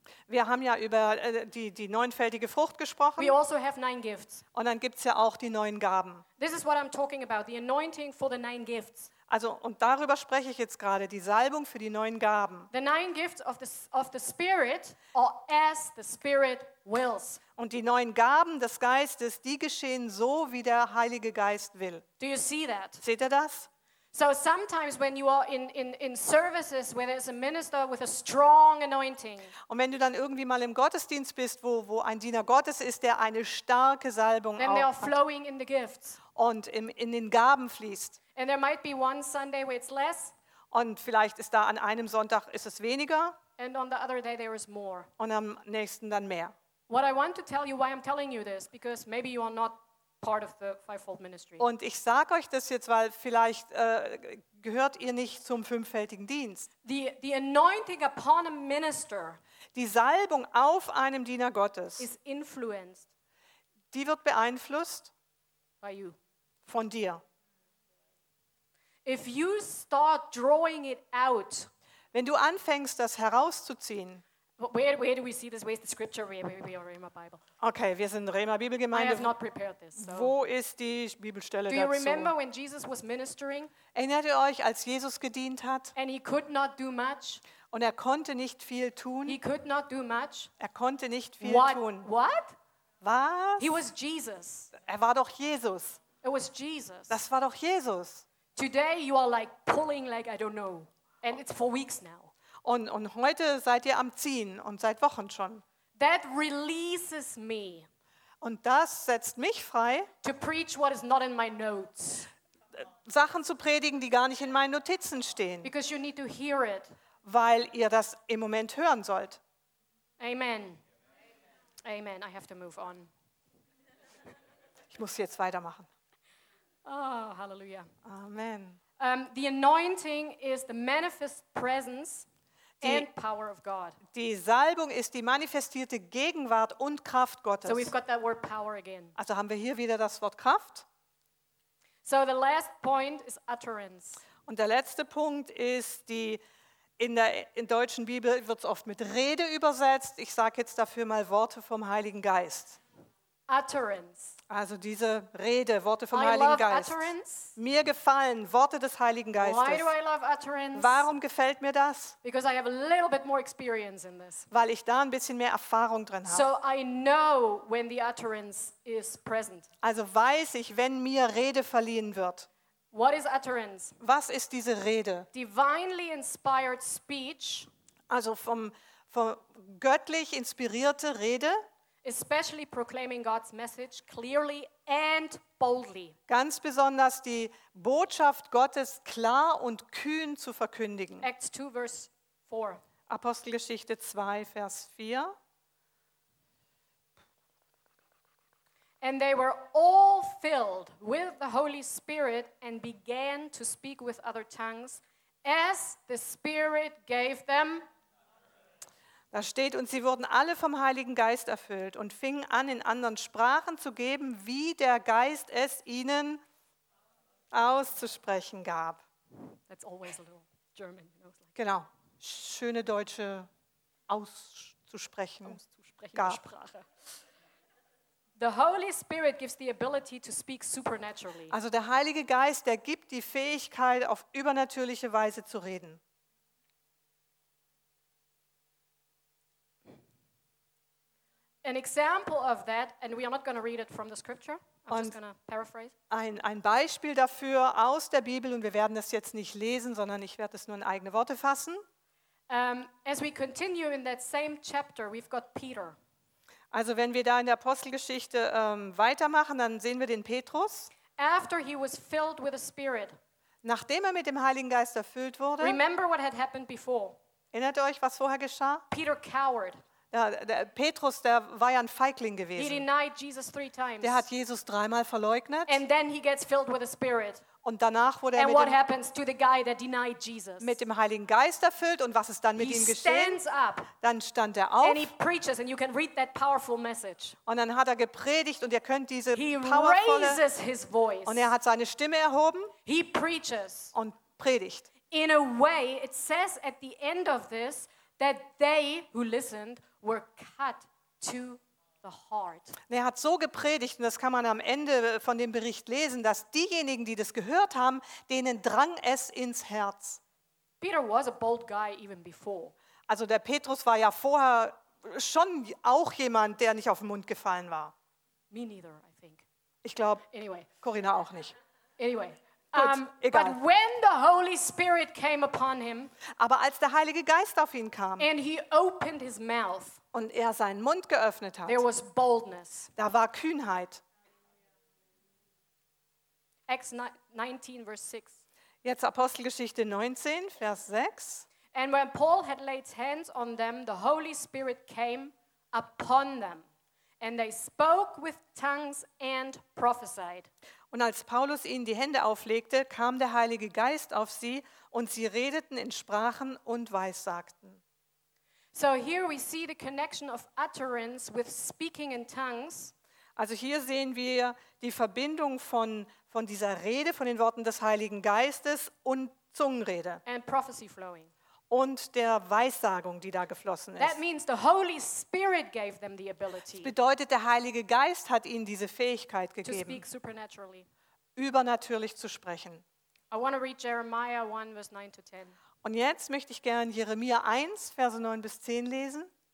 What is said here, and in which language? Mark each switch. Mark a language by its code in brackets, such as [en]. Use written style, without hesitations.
[de] Wir haben ja über die neunfältige Frucht gesprochen. [en] We also have 9 gifts. [de] Und dann gibt's ja auch die 9 Gaben. [en] This is what I'm talking about, the anointing for the 9 gifts. [de] Also, und darüber spreche ich jetzt gerade, die Salbung für die 9 Gaben. [en] The 9 gifts of the Spirit are as the Spirit wills. [de] Und die 9 Gaben des Geistes, die geschehen so, wie der Heilige Geist will. [en] Do you see that? [de] Seht ihr das? [en] So sometimes when you are in services where there's a minister with a strong anointing. [de] Und wenn du dann irgendwie mal im Gottesdienst bist, wo ein Diener Gottes ist, der eine starke Salbung hat. [en] They are flowing in the gifts. [de] Und in den Gaben fließt. [en] And there might be one Sunday where it's less. [de] Und vielleicht ist da an einem Sonntag ist es weniger. [en] And on the other day there is more. [de] Und am nächsten dann mehr. [en] What I want to tell you, why I'm telling you this, because maybe you are not part of the fivefold ministry. [de] Und ich sage euch das jetzt, weil vielleicht gehört ihr nicht zum fünffältigen Dienst. [en] The anointing upon a minister. [de] Die Salbung auf einem Diener Gottes. [en] Is influenced. [de] Die wird beeinflusst. [en] By you. [de] Von dir. [en] If you start drawing it out, [de] Wenn du anfängst, das herauszuziehen. [en] Where do we see this? Where's the scripture? We are Rema Bible. [de] Okay, wir sind Rema Bibelgemeinde. [en] I have not prepared this. So. [de] Wo ist die Bibelstelle dazu? [en] Do you remember when Jesus was ministering? [de] Erinnert ihr euch, als Jesus gedient hat? [en] And he could not do much. [de] Und er konnte nicht viel tun. [en] He could not do much. [de] Er konnte nicht viel tun. [en] What? [de] Was? [en] He was Jesus. [de] Er war doch Jesus. [en] It was Jesus. [de] Das war doch Jesus. [en] Today you are like pulling like I don't know. And it's for weeks now. [de] Und heute seid ihr am Ziehen und seit Wochen schon. [en] That releases me. [de] Und das setzt mich frei. [en] To preach what is not in my notes. [de] Sachen zu predigen, die gar nicht in meinen Notizen stehen. [en] Because you need to hear it. [de] Weil ihr das im Moment hören sollt. [en] Amen. Amen. I have to move on. [de] Ich muss jetzt weitermachen. Oh, hallelujah. Amen. [en] The anointing is the manifest presence and power of God. [de] Die Salbung ist die manifestierte Gegenwart und Kraft Gottes. [en] So we've got that word power again. [de] Also haben wir hier wieder das Wort Kraft. [en] So the last point is utterance. [de] Und der letzte Punkt ist die, in der deutschen Bibel wird es oft mit Rede übersetzt. Ich sage jetzt dafür mal Worte vom Heiligen Geist. [en] Utterance. [de] Also diese Rede, Worte vom Heiligen Geist. [en] Utterance. [de] Mir gefallen Worte des Heiligen Geistes. [en] Why do I love utterance? [de] Warum gefällt mir das? [en] Because I have a little bit more experience in this. [de] Weil ich da ein bisschen mehr Erfahrung drin habe. [en] So I know when the utterance is present. [de] Also weiß ich, wenn mir Rede verliehen wird. [en] What is utterance? [de] Was ist diese Rede? [en] Divinely inspired speech. [de] Also vom göttlich inspirierte Rede. [en] Especially proclaiming God's message clearly and boldly. [de] Ganz besonders die Botschaft Gottes klar und kühn zu verkündigen. [en] Acts 2, verse 4. [de] Apostelgeschichte 2, Vers 4. [en] And they were all filled with the Holy Spirit and began to speak with other tongues as the Spirit gave them. [de] Da steht, und sie wurden alle vom Heiligen Geist erfüllt und fingen an, in anderen Sprachen zu geben, wie der Geist es ihnen auszusprechen gab. [en] That's always a little German, you know, [de] like genau, schöne deutsche auszusprechen, Sprache. [en] The Holy Spirit gives the ability to speak supernaturally. [de] Also der Heilige Geist, der gibt die Fähigkeit, auf übernatürliche Weise zu reden. [en] An example of that, and we are not going to read it from the scripture. I'm just going to paraphrase. [de] Ein Beispiel dafür aus der Bibel, und wir werden das jetzt nicht lesen, sondern ich werde es nur in eigene Worte fassen. [en] As we continue in that same chapter, we've got Peter. [de] Also wenn wir da in der Apostelgeschichte weitermachen, dann sehen wir den Petrus. [en] After he was filled with the Spirit. [de] Nachdem er mit dem Heiligen Geist erfüllt wurde. [en] Remember what had happened before. [de] Erinnert ihr euch, was vorher geschah? [en] Peter cowered. [de] Ja, der Petrus, der war ja ein Feigling gewesen. [en] He denied Jesus three times. [de] Der hat Jesus dreimal verleugnet. [en] And then he gets filled with the Spirit. [de] Und danach wurde er mit dem Heiligen Geist erfüllt. Und was ist dann mit [en] he [de] ihm geschehen? [en] Stands up. [de] Dann stand er auf. [en] And he preaches, and you can read that powerful message. [de] Und dann hat er gepredigt, und ihr könnt diese [en] he [de] powervolle... [en] raises his voice. [de] Und er hat seine Stimme erhoben. [en] He preaches. [de] Und predigt. [en] In a way, it says at the end of this, that they who listened were cut to the heart. [de] Er hat so gepredigt, und das kann man am Ende von dem Bericht lesen, dass diejenigen, die das gehört haben, denen drang es ins Herz. [en] Peter was a bold guy even before. [de] Also der Petrus war ja vorher schon auch jemand, der nicht auf den Mund gefallen war. [en] Me neither, I think. [de] Ich glaube, [en] anyway. [de] Corinna auch nicht. [en] Anyway. [de] Egal. [en] But when the Holy Spirit came upon him, [de] aber als der Heilige Geist auf ihn kam, [en] and he opened his mouth, [de] und er seinen Mund geöffnet hat, [en] there was boldness. [de] Da war Kühnheit. [en] Acts 19, verse 6. [de] Jetzt Apostelgeschichte 19, Vers 6. [en] And when Paul had laid hands on them, the Holy Spirit came upon them, and they spoke with tongues and prophesied. [de] Und als Paulus ihnen die Hände auflegte, kam der Heilige Geist auf sie, und sie redeten in Sprachen und weissagten. [en] So here we see the connection of utterance with speaking in tongues. [de] Also hier sehen wir die Verbindung von dieser Rede, von den Worten des Heiligen Geistes und Zungenrede. [en] And prophecy flowing. [de] und der Weissagung, die da geflossen ist. [en] That means the Holy Spirit gave them the ability. [de] Das bedeutet, der Heilige Geist hat ihnen diese Fähigkeit gegeben, [en] to speak supernaturally. [de] Übernatürlich zu sprechen. [en] I want to read Jeremiah 1, verse 9 to 10. [de] Und jetzt möchte ich gern Jeremia 1, Verse 9 bis 10 lesen.